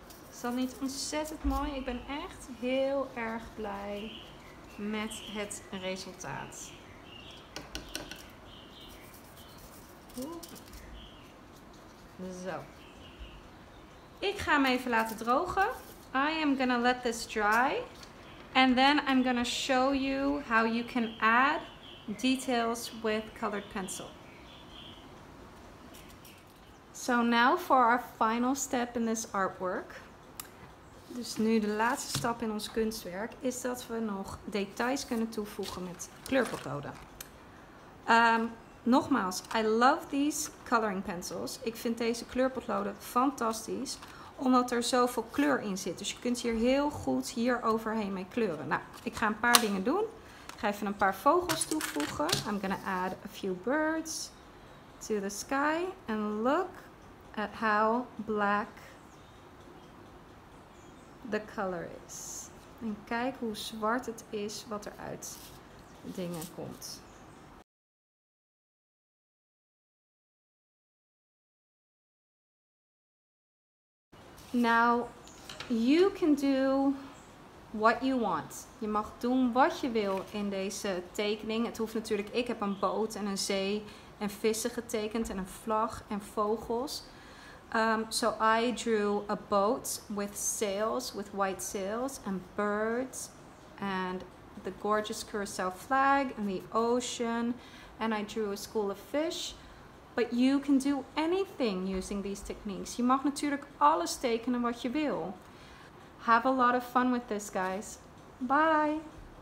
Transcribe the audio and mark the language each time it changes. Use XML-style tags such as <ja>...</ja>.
<nl>Is dat niet ontzettend mooi? Ik ben echt heel erg blij met het resultaat. Zo. Ik ga hem even laten drogen.</nl> <en>I am gonna let this dry. And then I'm gonna show you how you can add details with colored pencil. So now for our final step in this artwork.</en> <nl>Dus nu de laatste stap in ons kunstwerk is dat we nog details kunnen toevoegen met kleurpotloden. Nogmaals, I love these coloring pencils. Ik vind deze kleurpotloden fantastisch, omdat er zoveel kleur in zit. Dus je kunt hier heel goed hier overheen mee kleuren. Nou, ik ga een paar dingen doen. Ik ga even een paar vogels toevoegen.</nl> <en>I'm gonna add a few birds to the sky. And look at how black the color is.</en> <nl>En kijk hoe zwart het is wat er uit dingen komt.</nl> <en>Now, you can do what you want.</en> <nl>Je mag doen wat je wil in deze tekening. Het hoeft natuurlijk, ik heb een boot en een zee en vissen getekend en een vlag en vogels.</nl> <en>So I drew a boat with sails, with white sails and birds and the gorgeous Curaçao flag and the ocean. And I drew a school of fish. But you can do anything using these techniques. Je mag natuurlijk alles tekenen wat je wil. Have a lot of fun with this, guys. Bye!</en>